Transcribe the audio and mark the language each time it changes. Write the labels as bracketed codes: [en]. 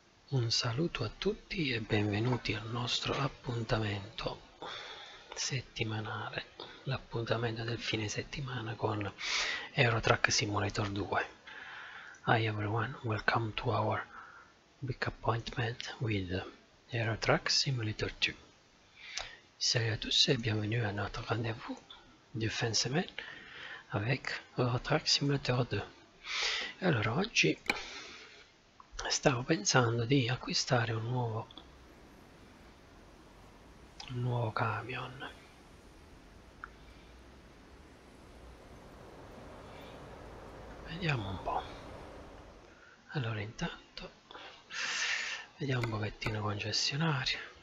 [it] Un saluto a tutti e benvenuti al nostro appuntamento settimanale, l'appuntamento del fine settimana con Euro Truck Simulator 2. [en] Hi everyone, welcome to our big appointment with Euro Truck Simulator 2. [fr] Salut à tous et bienvenue à notre rendez-vous de fin de semaine avec Euro Truck Simulator 2. [it] Allora, oggi stavo pensando di acquistare un nuovo camion. Vediamo un po'. Allora, intanto vediamo un pochettino concessionaria.